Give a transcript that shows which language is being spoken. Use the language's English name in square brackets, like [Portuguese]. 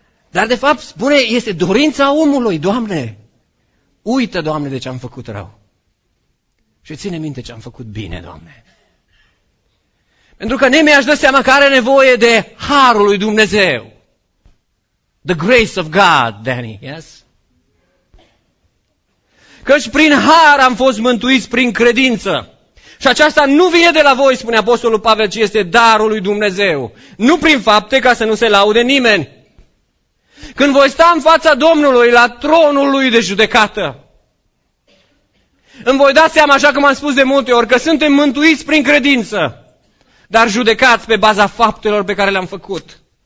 [Romanian] Dar de fapt, spune, este dorința omului, Doamne. Uită, Doamne, de ce-am făcut rău. Și ține minte ce-am făcut bine, Doamne. Pentru că nimeni aș dă seama că are nevoie de harul lui Dumnezeu. [English] The grace of God, Danny, yes? [Romanian] Căci prin har am fost mântuiți prin credință. Și aceasta nu vine de la voi, spune Apostolul Pavel, ci este darul lui Dumnezeu. Nu prin fapte, ca să nu se laude nimeni. Când voi sta în fața Domnului, la tronul lui de judecată, îmi voi da seama, așa cum am spus de multe ori, că suntem mântuiți prin credință, dar judecați pe baza faptelor pe care le-am făcut.